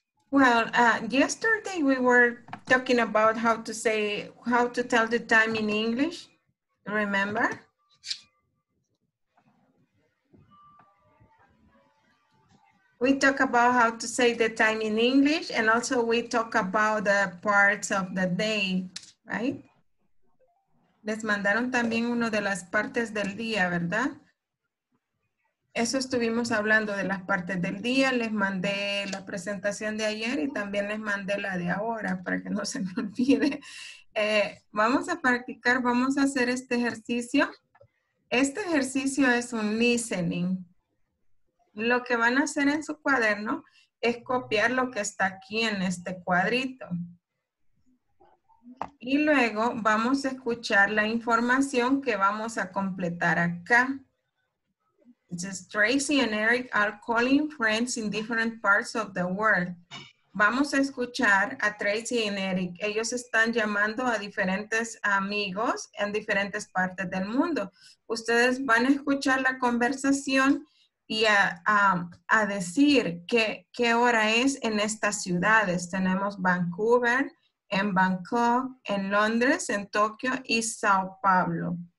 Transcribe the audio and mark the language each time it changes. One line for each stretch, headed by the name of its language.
English: Well, yesterday we were talking about how to tell the time in English. Remember? We talk about how to say the time in English, and also we talk about the parts of the day, right?
Spanish: Les mandaron también uno de las partes del día, ¿verdad? Eso estuvimos hablando de las partes del día. Les mandé la presentación de ayer y también les mandé la de ahora para que no se me olvide. Vamos a practicar, vamos a hacer este ejercicio. Este ejercicio es un listening. Lo que van a hacer en su cuaderno es copiar lo que está aquí en este cuadrito. Y luego vamos a escuchar la información que vamos a completar acá.
English: Just Tracy and Eric are calling friends in different parts of the world.
Spanish: vamos a escuchar a Tracy y Eric. Ellos están llamando a diferentes amigos en diferentes partes del mundo. Ustedes van a escuchar la conversación y a decir qué hora es en estas ciudades. Tenemos Vancouver, en Bangkok, en Londres, en Tokio y Sao Paulo.